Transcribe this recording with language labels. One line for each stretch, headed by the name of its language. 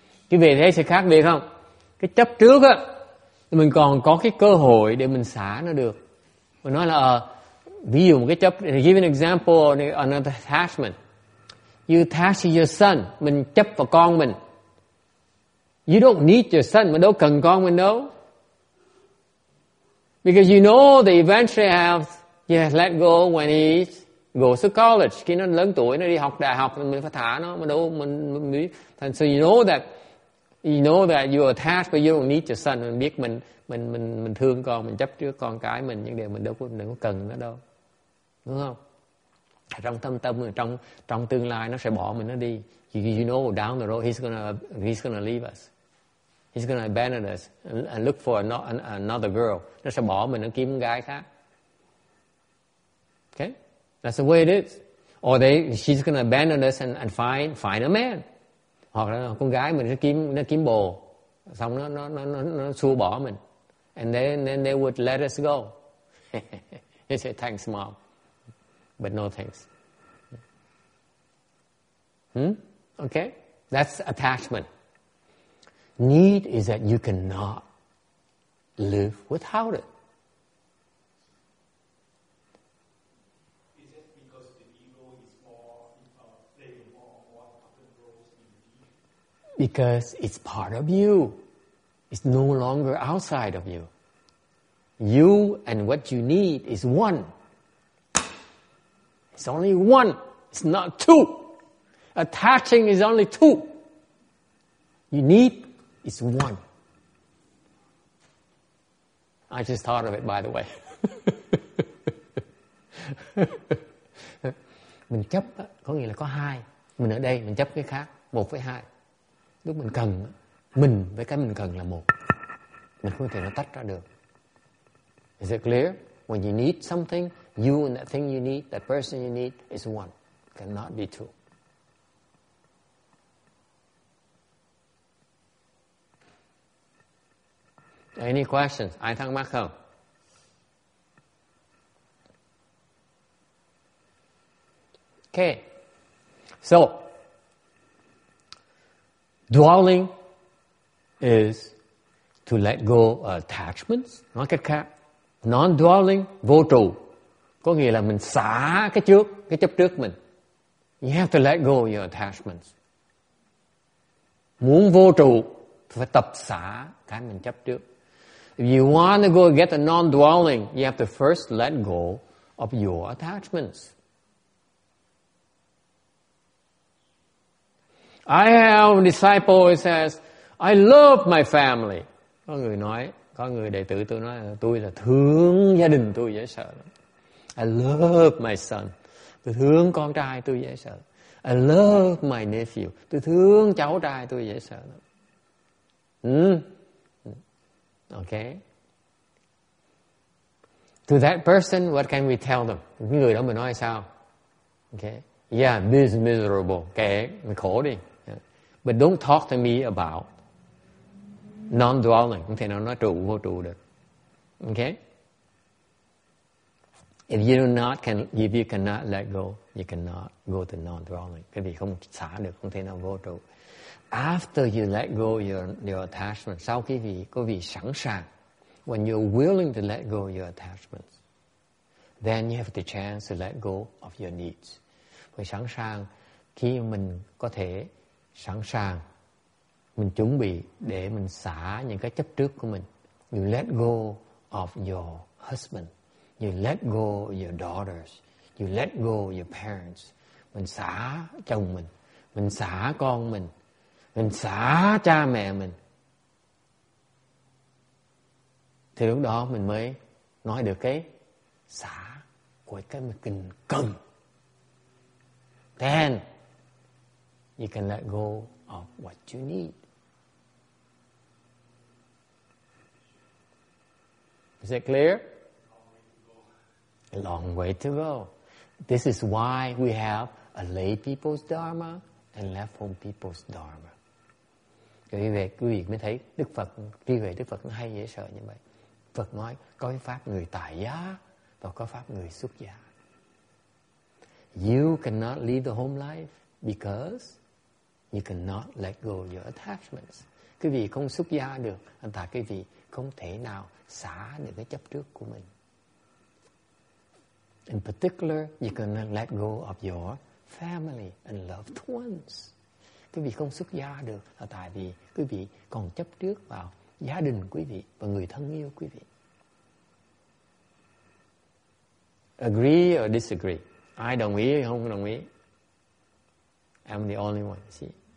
Vietnamese: Quý vị thấy sự khác biệt không? Cái chấp trước á, mình còn có cái cơ hội để mình xả nó được. Mình nói là ví dụ một cái chấp,
English: give an example on an attachment. You attach to your son,
Vietnamese: mình chấp vào con mình.
English: You don't need your son,
Vietnamese: mình đâu cần con mình đâu.
English: Because you know that eventually he has let go when he goes to college.
Vietnamese: Khi nó lớn tuổi, nó đi học đại học, mình phải thả nó. Mình,
English: so you know that you are attached, but you don't need your son.
Vietnamese: Mình biết mình thương con, mình chấp trước con cái mình, nhưng điều mình đâu có cần nó đâu. Đúng không? Trong thâm tâm, trong tương lai nó sẽ bỏ mình nó đi.
English: You know down the road he's gonna leave us. He's gonna abandon us and look for another girl.
Vietnamese: Nó sẽ bỏ mình, nó kiếm gái khác.
English: Okay? That's the way it is. Or she's gonna abandon us and find a man.
Vietnamese: Hoặc là con gái mình nó kiếm bồ, xong nó xua bỏ mình.
English: And then they would let us go. He said, thanks, mom. But no thanks. Okay? That's attachment. Need is that you cannot live without it. Because it's part of you. It's no longer outside of you. You and what you need is one. It's only one. It's not two. Attaching is only two. You need is one. I just thought of it, by the way.
Vietnamese: Mình chấp có nghĩa là có hai. Mình ở đây, mình chấp cái khác. Một với hai. Lúc mình cần, mình với cái mình cần là một. Mình không thể nó tách ra được.
English: Is it clear? When you need something, you and that thing you need, that person you need, is one. Cannot be two. Any questions?
Vietnamese: Ai thắc mắc không?
English: Okay. So, dwelling is to let go of attachments.
Vietnamese: Nói cách khác, non-dwelling, vô trụ. Có nghĩa là mình xả cái chấp trước mình.
English: You have to let go of your attachments.
Vietnamese: Muốn vô trụ, phải tập xả cái mình chấp trước.
English: If you want to go get the non-dwelling, you have to first let go of your attachments. I have a disciple who says, I love my family.
Vietnamese: Có người nói, có người đệ tử tôi nói, tôi là thương gia đình tôi dễ sợ.
English: I love my son.
Vietnamese: Tôi thương con trai tôi dễ sợ. I love my nephew. Tôi thương cháu trai tôi dễ sợ.
English: Okay. To that person, what can we tell them?
Vietnamese: Người đó mình nói sao?
English: Okay. Yeah, this is miserable.
Vietnamese: Okay, khổ đi.
English: But don't talk to me about non-dwelling.
Vietnamese: Không thể nào nói trụ, vô trụ được.
English: Okay? If you do not, if you cannot let go, you cannot go to non-dwelling.
Vietnamese: Cái vì không xả được, không thể nào vô trụ.
English: After you let go your attachments,
Vietnamese: sau khi vì có vị sẵn sàng,
English: when you're willing to let go your attachments, then you have the chance to let go of your needs.
Vietnamese: Vì sẵn sàng, khi mình có thể sẵn sàng, mình chuẩn bị để mình xả những cái chấp trước của mình.
English: You let go of your husband. You let go your daughters. You let go your parents.
Vietnamese: Mình xả chồng mình. Mình xả con mình. Mình xả cha mẹ mình. Thì lúc đó mình mới nói được cái xả của cái mình cần.
English: Then you can let go of what you need. Is it clear? A long way to go. This is why we have a lay people's dharma and left home people's dharma.
Vietnamese: Vì vậy quý vị mới thấy Đức Phật, trí huệ Đức Phật nó hay dễ sợ như vậy. Phật nói có pháp người tại gia và có pháp người xuất gia.
English: You cannot leave the home life because you cannot let go your attachments.
Vietnamese: Quý vị không xuất gia được, tại quý vị không thể nào xả được cái chấp trước của mình.
English: In particular, you cannot let go of your family and loved ones.
Vietnamese: Quý vị không xuất gia được là tại vì quý vị còn chấp trước vào gia đình quý vị và người thân yêu quý vị.
English: Agree or disagree?
Vietnamese: Ai đồng ý hay không đồng ý?
English: I'm the only one, see?